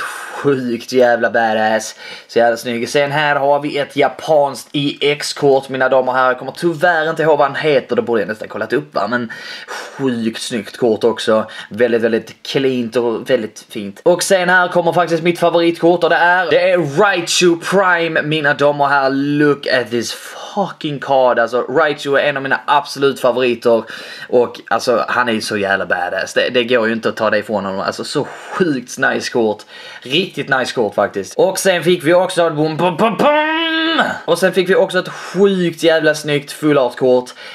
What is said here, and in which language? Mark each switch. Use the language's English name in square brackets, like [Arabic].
[Swedish] Sjukt jävla badass. Så jävla snygg. Sen här har vi ett japanskt EX-kort, mina damer och herrar. Jag kommer tyvärr inte ihåg vad han heter, då borde jag nästan kollat upp, va. Men sjukt snyggt kort också. Väldigt, väldigt cleant och väldigt fint. Och sen här kommer faktiskt mitt favoritkort och det är Raichu Prime, mina damer och herrar. [English] Look at this fucking card. [Swedish] Alltså Raichu är en av mina absolut favoriter. Och alltså han är ju så jävla badass. Det går ju inte att ta det ifrån honom. Alltså så sjukt nice kort. Riktigt nice kort faktiskt. Och sen fick vi också ett boom, boom, boom, boom. Och sen fick vi också ett sjukt jävla snyggt full art kort.